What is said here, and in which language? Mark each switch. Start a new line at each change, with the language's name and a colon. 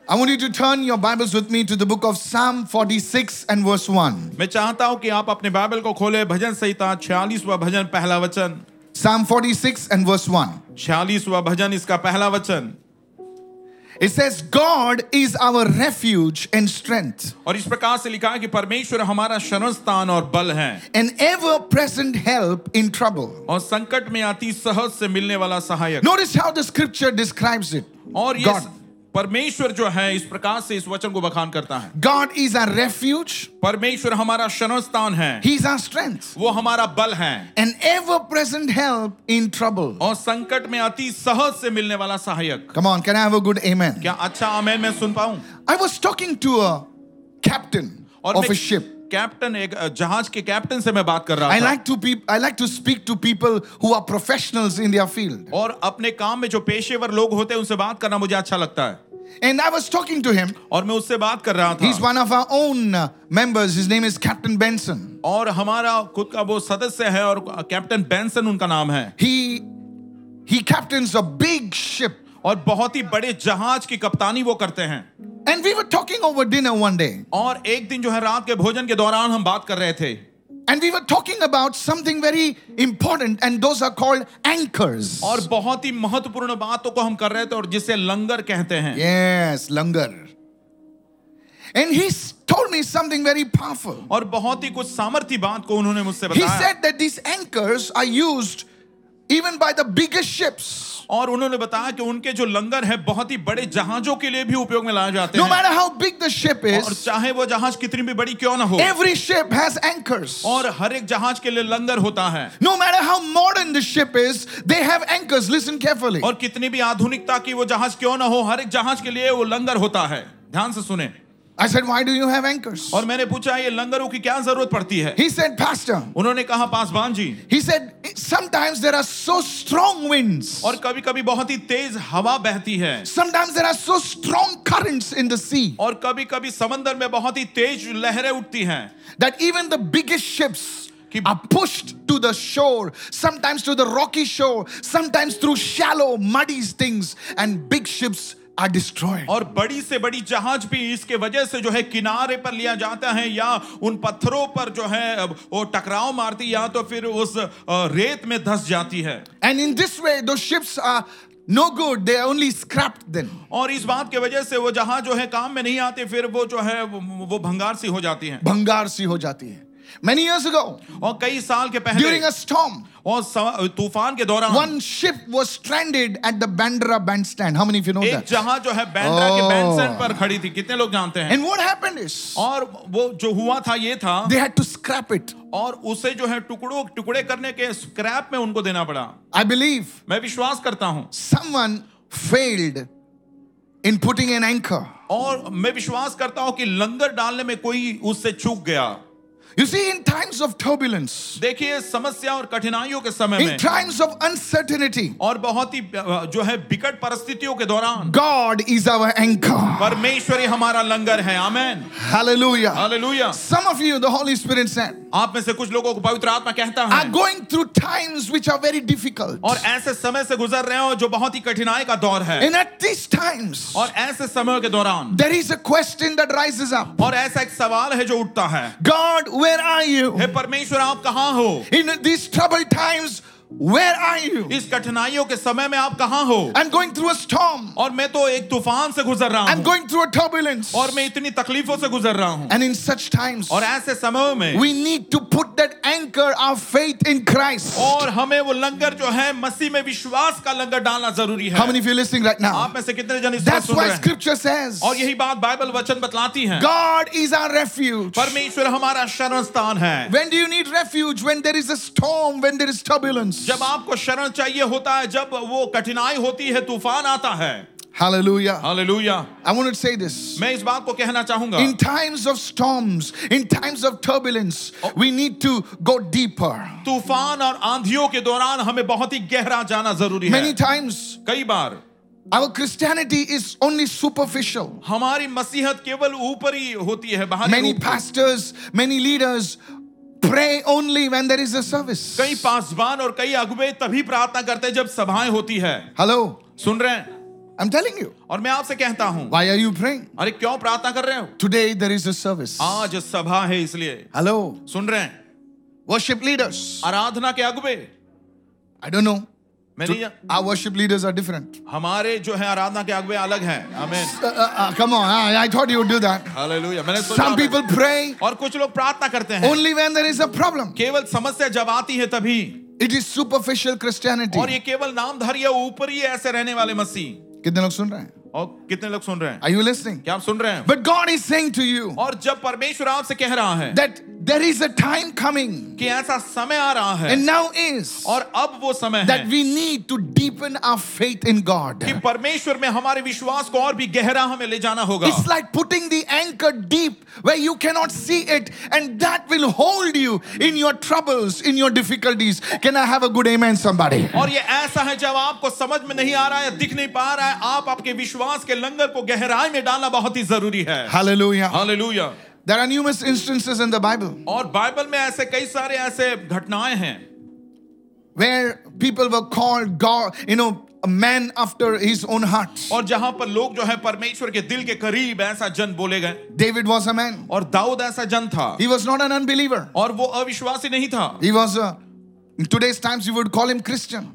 English: I want you to turn your Bibles with me to the book of Psalm 46 and verse 1.
Hindi: मैं चाहता हूँ कि आप अपने बाइबल को खोलें भजन संहिता 46वां भजन पहला वचन.
English: Psalm 46 and verse 1.
Hindi: 46वां भजन इसका पहला वचन.
English: It says, God is our refuge and strength.
Hindi: और इस प्रकार से लिखा है कि परमेश्वर हमारा शरण स्थान और बल है.
English: An ever-present help in trouble.
Hindi: और संकट में अति सहज से मिलने वाला सहायक.
English: Notice how the scripture describes it.
Hindi: और ये परमेश्वर जो है इस प्रकार से इस वचन को बखान करता है.
English: God is our refuge.
Hindi: परमेश्वर हमारा शरण स्थान है.
English: He is our strength.
Hindi: वो हमारा बल है.
English: An ever-present help in trouble.
Hindi: और संकट में अति सहज से मिलने वाला सहायक.
English: Come on, can I have a good amen?
Hindi: क्या अच्छा आमेन मैं सुन पाऊं?
English: I was talking to a captain of a ship.
Hindi: Captain एक जहाज के कैप्टन से मैं बात कर रहा था.
English: I like to speak to people who are professionals in their field.
Hindi: और अपने काम में जो पेशेवर लोग होते हैं उनसे बात करना मुझे अच्छा लगता है.
English: And I was talking to him.
Hindi: और मैं उससे बात कर रहा था.
English: He's one of our own members. His name is Captain Benson.
Hindi: और हमारा खुद का वो सदस्य है और कैप्टन बेंसन उनका नाम है.
English: He captains a big ship.
Hindi: और बहुत ही बड़े जहाज की कप्तानी वो करते हैं.
English: And we were talking over dinner one day.
Hindi: और एक दिन जो है रात के भोजन के दौरान हम बात कर रहे थे.
English: And we were talking about something very important, and those are called anchors.
Hindi: और बहुत ही महत्वपूर्ण बातों को हम कर रहे थे और जिसे लंगर कहते हैं.
English: Yes,
Hindi: langar.
English: And he told me something very powerful.
Hindi: और बहुत ही कुछ सामर्थ्य बात को उन्होंने मुझसे बताया.
English: He said that these anchors are used even by the biggest ships.
Hindi: और उन्होंने बताया कि उनके जो लंगर है बहुत ही बड़े जहाजों के लिए भी उपयोग में लाए जाते हैं.
English: No matter how big the ship is,
Hindi: और चाहे वो जहाज कितनी भी बड़ी क्यों ना हो,
English: every ship has anchors.
Hindi: और हर एक जहाज के लिए लंगर होता है.
English: No matter how modern the ship is, they have anchors. Listen carefully.
Hindi: और कितनी भी आधुनिकता की वो जहाज क्यों ना हो, हर एक जहाज के लिए वो लंगर होता है. ध्यान से सुने.
English: I said, why do you have anchors?
Hindi: और मैंने पूछा ये लंगरों की क्या जरूरत पड़ती है?
English: He said, Pastor.
Hindi: उन्होंने कहा Paswan ji.
English: He said, sometimes there are so strong winds.
Hindi: और कभी-कभी बहुत ही तेज हवा बहती है.
English: Sometimes there are so strong currents in the sea.
Hindi: और कभी-कभी समंदर में बहुत ही तेज लहरें उठती हैं.
English: That even the biggest ships are pushed to the shore, sometimes to the rocky shore, sometimes through shallow, muddy things, and big ships.
Hindi: और बड़ी से बड़ी जहाज भी इसके वजह से जो है किनारे पर लिया जाता है या उन पत्थरों पर जो है वो टकराव मारती या तो फिर उस रेत में धस जाती है.
English: And in this way though ships are no good, they are only scrapped then.
Hindi: और इस बात के वजह से वो जहाज जो है काम में नहीं आते, फिर वो जो है वो भंगार सी हो जाती है. भंगार सी हो जाती है.
English: Many years ago,
Hindi: और कई साल के पहले,
English: during a storm,
Hindi: और तूफान के दौरान,
English: one ship was stranded at the Bandra bandstand. How many of you know
Hindi: एक
English: that?
Hindi: एक जहाज जो है बैंड्रा के बैंडस्टैंड पर खड़ी थी. कितने लोग जानते हैं?
English: And what happened is,
Hindi: और वो जो हुआ था ये था,
English: they had to scrap it.
Hindi: और उसे जो है टुकड़ों टुकड़े करने के स्क्रैप में उनको देना पड़ा.
English: I believe,
Hindi: मैं विश्वास करता हूँ,
English: someone failed in putting an anchor.
Hindi: और मैं विश्वास करता हूँ कि लंगर डालने में कोई उससे चूक गया.
English: You see, in times of turbulence,
Hindi: देखिए समस्या और कठिनाइयों के समय में,
English: in times of uncertainty,
Hindi: और बहुत ही जो है बिकट परिस्थितियों के दौरान,
English: God is our anchor.
Hindi: परमेश्वर ही हमारा लंगर है. आमेन.
English: Hallelujah.
Hindi: Hallelujah.
English: Some of you, the Holy Spirit said,
Hindi: आप में से कुछ लोगों को पवित्र आत्मा कहता है,
English: are going through times which are very difficult.
Hindi: और ऐसे समय से गुजर रहे हो जो बहुत ही कठिनाई का दौर है.
English: And at these times,
Hindi: और ऐसे समय के दौरान,
English: there is a question that rises up.
Hindi: और ऐसा एक सवाल है जो उठता है.
English: God, where are you?
Hindi: हे परमेश्वर आप कहाँ हो?
English: In these troubled times, where are you?
Hindi: इस कठिनाइयों के समय में आप कहाँ हो?
English: I'm going through a storm.
Hindi: और मैं तो एक तूफान से गुजर रहा हूँ.
English: I'm going through a turbulence.
Hindi: और मैं इतनी तकलीफों से गुजर रहा हूँ.
English: And in such times,
Hindi: और ऐसे समयों में,
English: we need to put that anchor, our faith in Christ.
Hindi: और हमें वो लंगर जो है मसीह में विश्वास का लंगर डालना जरूरी है.
English: How many of you listening right now?
Hindi: आप में से कितने जन इस बात को सुन रहे हैं?
English: That's why Scripture says.
Hindi: और यही बात बाइबल वचन बतलाती है.
English: God is our refuge.
Hindi: परमेश्वर हमारा शरण स्थान है.
English: When do you need refuge? When there is a storm, when there is turbulence.
Hindi: जब आपको शरण चाहिए होता है, जब वो कठिनाई होती है, तूफान आता है.
English: Hallelujah.
Hindi: Hallelujah.
English: I want to say this.
Hindi: मैं इस बात को कहना चाहूंगा.
English: In times of storms, in times of turbulence, we need to go deeper.
Hindi: तूफान और आंधियों के दौरान हमें बहुत ही गहरा जाना जरूरी है.
English: Many times,
Hindi: कई बार,
English: our Christianity is only superficial.
Hindi: हमारी मसीहत केवल ऊपरी होती है.
English: Many pastors, many leaders pray only when there is a service.
Hindi: कई पासवान और कई अगुवे तभी प्रार्थना करते हैं जब सभाएं होती है.
English: Hello.
Hindi: सुन रहे हैं?
English: I'm telling you.
Hindi: और मैं आपसे कहता हूँ.
English: Why are you praying?
Hindi: अरे क्यों प्रार्थना कर रहे हो?
English: Today there is a service.
Hindi: आज सभा है इसलिए.
English: Hello.
Hindi: सुन रहे हैं.
English: Worship leaders.
Hindi: आराधना के अगुवे.
English: I don't know. So, our worship leaders are different.
Hindi: हमारे जो हैं आराधना के अगुवे अलग हैं.
English: Amen. Come on. I thought you would do that.
Hindi: Hallelujah. मैंने सोचा.
English: Some people pray.
Hindi: और कुछ लोग प्रार्थना करते हैं.
English: Only when there is a problem.
Hindi: केवल समस्या जब आती है तभी.
English: It is superficial Christianity.
Hindi: और ये केवल नामधारी या ऊपरी ऐसे रहने वाले मसीह. कितने लोग सुन रहे हैं? और कितने लोग सुन रहे हैं?
English: Are you listening?
Hindi: क्या आप सुन रहे हैं?
English: But God is saying to you.
Hindi: और जब परमेश्वर आपसे कह रहा है.
English: That there is a time coming.
Hindi: कि ऐसा समय आ रहा है.
English: And now is.
Hindi: और अब वो समय है.
English: That we need to deepen our faith in God.
Hindi: कि परमेश्वर में हमारे विश्वास को और भी गहरा हमें ले जाना होगा.
English: It's like putting the anchor deep where you cannot see it, and that will hold you in your troubles, in your difficulties. Can I have a good amen, somebody?
Hindi: और ये ऐसा है जब आपको समझ में नहीं आ रहा है, दिख नहीं पा रहा है, आप आपके विश्वास के लंगर को गहराई में डालना बहुत ही जरूरी है.
English: Hallelujah.
Hindi: Hallelujah.
English: There are numerous instances in the Bible.
Hindi: और बाइबल में ऐसे कई सारे ऐसे घटनाएं हैं.
English: Where people were called God, you know, a man after his own heart.
Hindi: और जहां पर लोग जो है परमेश्वर के दिल के करीब ऐसा जन बोले गए.
English: David was a man.
Hindi: और दाऊद ऐसा जन था.
English: He was not an unbeliever.
Hindi: और वो अविश्वासी नहीं था.
English: He was a, in today's times you would call him Christian.